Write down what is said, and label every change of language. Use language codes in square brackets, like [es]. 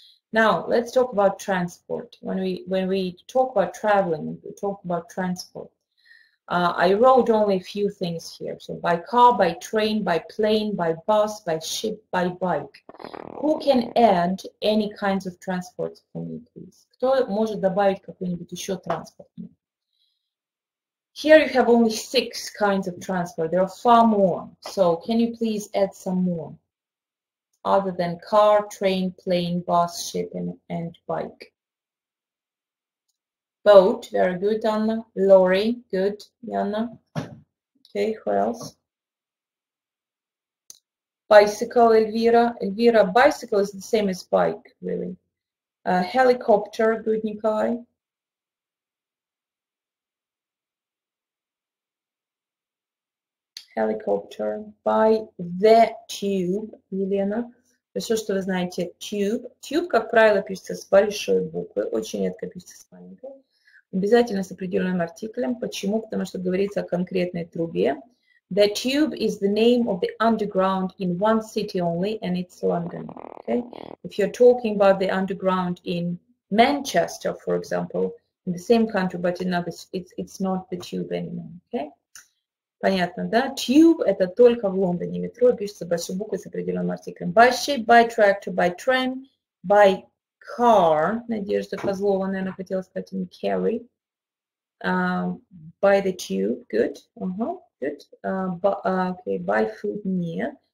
[en] Now, let's talk about transport. When we talk about traveling, we talk about transport. I wrote only a few things here. So by car, by train, by plane, by bus, by ship, by bike. Who can add any kinds of transport for me, please? [ru] Кто может добавить какой-нибудь еще транспорт? [en] Here you have only six kinds of transport. There are far more. So can you please add some more? Other than car, train, plane, bus, ship, and bike. Boat, very good, Anna. Lorry, good, Jana. Okay, who else? Bicycle, Elvira. Elvira, bicycle is the same as bike, really. Helicopter, good, Nikolai. Helicopter, by the tube, Елена. [ru] Все, что вы знаете, tube. Tube, как правило, пишется с большой буквы, очень редко пишется с маленькой. Обязательно с определенным артиклем. Почему? Потому что говорится о конкретной трубе. [en] The tube is the name of the underground in one city only, and it's London. Okay? If you're talking about the underground in Manchester, for example, in the same country, but in others, it's not the tube anymore. Okay? [ru] Понятно, да? Tube – это только в Лондоне. Метро пишется большой буквы с определенным артиклем. [en] By ship, by tractor, by tram, by car. [ru] Надежда Козлова, наверное, хотела сказать, не carry. [en] By the tube, good. Good. Okay, buy food, нет.